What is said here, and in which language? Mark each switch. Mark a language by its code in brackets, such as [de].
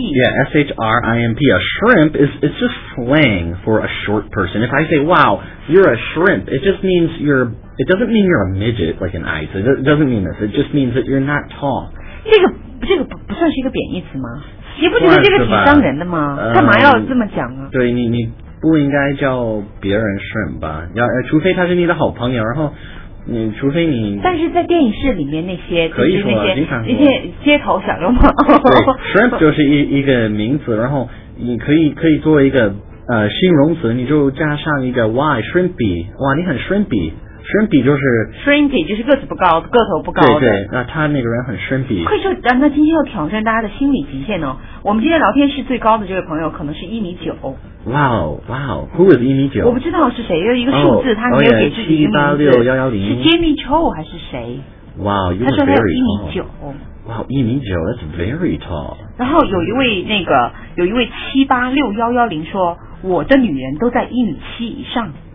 [en] yeah S-H-R-I-M-P a shrimp is it's just slang for a short person. If I say wow you're a shrimp, it just means you're it doesn't mean you're a midget like an ice. It doesn't mean this. It just means that you're not tall. [zh] 这个 不算是一个贬义词吗？你不觉得这个挺伤人的吗？干嘛要这么讲啊？对，你不应该叫别人 shrimp 吧，要除非他是你的好朋友，然后你除非你，但是在电影室里面那些可以说、就是、经常说那些街头小流氓 shrimp 就是一个名词，然后你可以作为一个形容词，你就加上一个 y shrimpy， 哇你很 shrimpy。 Shrimpy 就是 Shrimpy 就是个子不高，个头不高的。对对，那他那个人很 Shrimpy。会说，那今天要挑战大家的心理极限哦。我们今天聊天室最高的这位朋友可能是一米九。 [en] Wow, who is [zh] 一米九？我不知道是谁，有一个数字他没有给自己一个名字。 786110。是 Jamie Cho 还是谁 [en] ？Wow, you're very tall. [zh] 1米9 [en] that's very tall. [zh] 然后有一位那个有一位786110说，我的女人都在1米7以上。